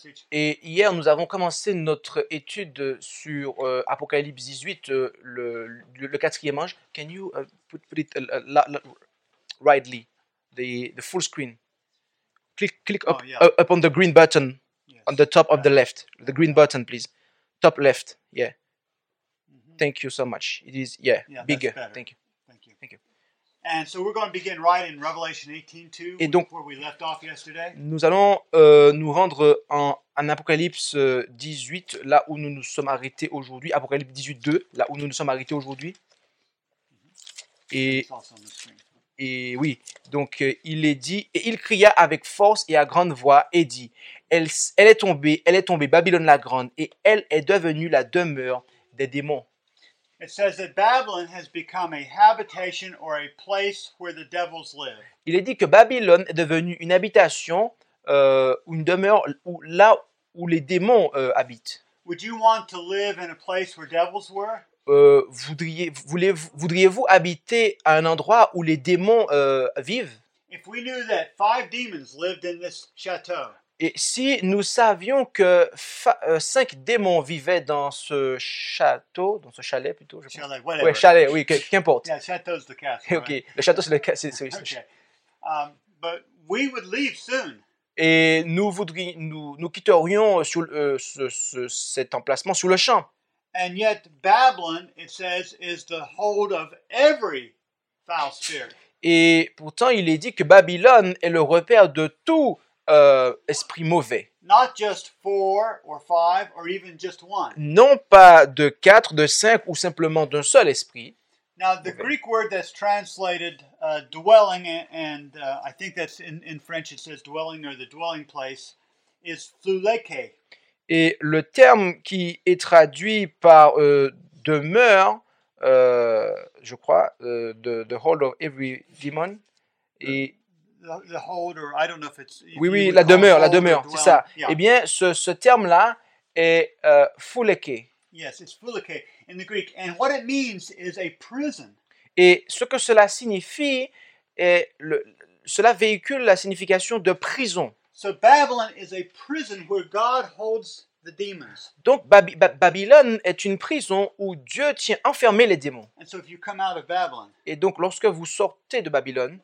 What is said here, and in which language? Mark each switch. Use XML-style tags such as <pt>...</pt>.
<fr>Et hier, nous avons commencé notre étude sur Apocalypse 18, le quatrième ange.</fr> <en>Can you put it rightly, the full screen? Click up, oh, yeah. Up on the green button, yes. On the top of the left. The green button, please. Top left, yeah. Mm-hmm. Thank you so much. It is, yeah, bigger. Thank you. And so we're going to begin right in Revelation 18:2,</en> <fr>donc,</fr> <en>where we left off yesterday.</en> <fr>Nous allons nous rendre en Apocalypse 18, là où nous nous sommes arrêtés aujourd'hui. Apocalypse 18:2, là où nous nous sommes arrêtés aujourd'hui. Mm-hmm. Et oui, donc il est dit, et il cria avec force et à grande voix et dit, elle est tombée, Babylone la grande, et elle est devenue la demeure des démons.</fr> <en>It says that Babylon has become a habitation or a place where the devils live.</en> <fr>Il est dit que Babylone est devenue une habitation ou une demeure où là où les démons habitent.</fr> <en>Would you want to live in a place where devils were?</en> <fr>Voudriez-vous habiter à un endroit où les démons vivent?</fr> <en>If we knew that five demons lived in this château,</en> <fr>et si nous savions que cinq démons vivaient dans ce château, dans ce chalet plutôt, je pense.</fr> <en>Chalet, whatever.</en> <fr>Ouais, chalet, oui, qu'importe.</fr> <en>Yeah, château's the castle.</en> <fr>Okay, le château c'est le castle.</fr> <en>Okay. But we would leave soon.</en> <fr>Et nous quitterions sur cet emplacement sur le champ.</fr> <en>And yet Babylon, it says, is the hold of every foul spirit.</en> <fr>Et pourtant, il est dit que Babylone est le repère de tout esprit mauvais.</fr> <en>Not just four or five or even just one.</en> <fr>Non pas de quatre, de cinq ou simplement d'un seul esprit.</fr> <en>Now the Greek word that's translated dwelling, and I think that's in French it says dwelling or the dwelling place, is phuleke.</en> <fr>Et le terme qui est traduit par demeure, je crois,</fr> <en>the hold of every demon,</en> <fr>et</fr> <en>the hold, or I don't know if it's,</en> <fr>oui, oui, la demeure, la demeure, c'est ça. Yeah. Eh bien, ce terme-là est phouleke.</fr> <en>Yes, it's phouleke in the Greek. And what it means is a prison.</en> <fr>Et ce que cela signifie, est cela véhicule la signification de prison.</fr> <en>So Babylon is a prison where God holds the demons.</en> <fr>Donc Babylone est une prison où Dieu tient enfermés les démons.</fr> <en>And so if you come out of Babylon,</en> <fr>et donc lorsque vous sortez de Babylone,</fr>